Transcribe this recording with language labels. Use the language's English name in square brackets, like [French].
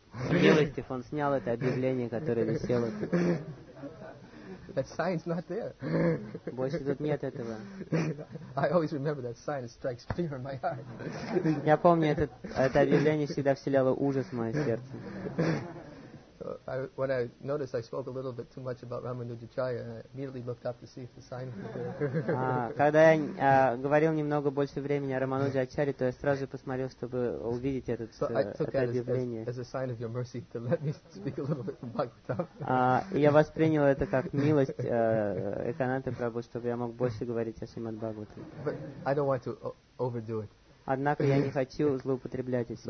[Russian] Милостив, он снял это объявление, которое висело тут. [English] That sign is not there. [Russian] Больше тут нет этого. [English] I always remember that sign strikes fear in my heart. [Russian] Я помню, это объявление всегда вселяло ужас в мое сердце. [English] When I noticed I spoke a little bit too much about Ramanujacharya, I immediately looked up to see if the sign was there. [Russian] Когда я говорил немного больше времени о Рамануджачаре, то я сразу посмотрел, чтобы увидеть это объявление. [English] As a sign of your mercy to let me speak a little bit from Bhagavatam. [Russian] Я воспринял это как милость Экананты Прабху, чтобы я мог больше говорить о Шримад Бхагаватам. [English] But I don't want to overdo it. [Russian] Однако я не хочу злоупотреблять этим.